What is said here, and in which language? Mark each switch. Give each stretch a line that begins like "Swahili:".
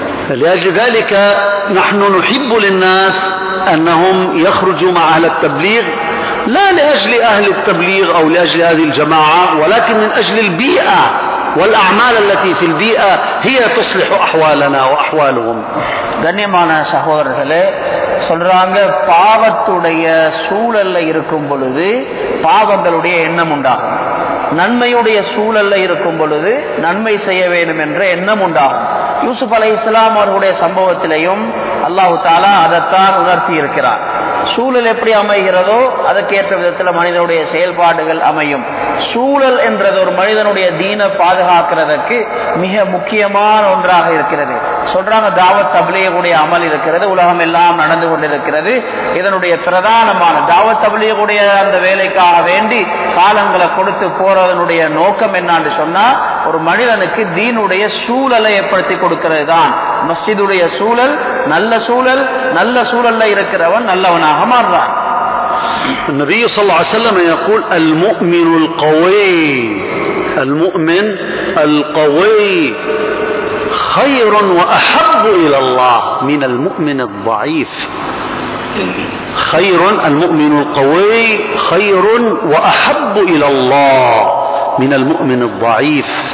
Arabic: لذلك نحن نحب للناس انهم يخرجوا مع اهل التبليغ، لا لاجل اهل التبليغ او لاجل هذه الجماعه، ولكن من اجل البيئه والاعمال التي في البيئه هي تصلح احوالنا واحوالهم.
Tamil: கண்ணியமான சகோதரர்களே, சொல்றாங்க பாவத்துடைய சூழல்ல இருக்கும் பொழுது பாவங்களுடைய எண்ணம் உண்டாகும், நன்மையுடைய சூழல்ல இருக்கும் பொழுது நன்மை செய்ய வேண்டும் என்ற எண்ணம் உண்டாகும். யூசுப் அலை இஸ்லாம் அவர்களுடைய சம்பவத்திலையும் அல்லாஹு தாலா அதைத்தான் உணர்த்தி இருக்கிறார். சூழல் எப்படி அமைகிறதோ அதற்கேற்ற விதத்தில் மனிதனுடைய செயல்பாடுகள் அமையும். சூழல் என்றது ஒரு மனிதனுடைய தீன பாதுகாக்கிறதுக்கு மிக முக்கியமான ஒன்றாக இருக்கிறது. சொல்றாங்க தாவத் தபலீகுடைய அமல் இருக்கிறது, உலகம் எல்லாம் நடந்து கொண்டிருக்கிறது, இதனுடைய பிரதானமான தாவத் தபலீகுடைய அந்த வேலைக்காக வேண்டி காலங்களை கொடுத்து போறதனுடைய நோக்கம் என்னான்னு சொன்னா, ஒரு மனிதனுக்கு தீனுடைய சூழலை ஏற்படுத்தி கொடுக்கிறது தான். மஸ்ஜிதுடைய சூழல் நல்ல சூழல், நல்ல சூழல்ல இருக்கிறவன் நல்லவனாக மாறுறான்.
Arabic: النبي صلى الله عليه وسلم يقول المؤمن القوي، المؤمن القوي خير وأحب إلى الله من المؤمن الضعيف، خير المؤمن القوي خير وأحب إلى الله من المؤمن الضعيف،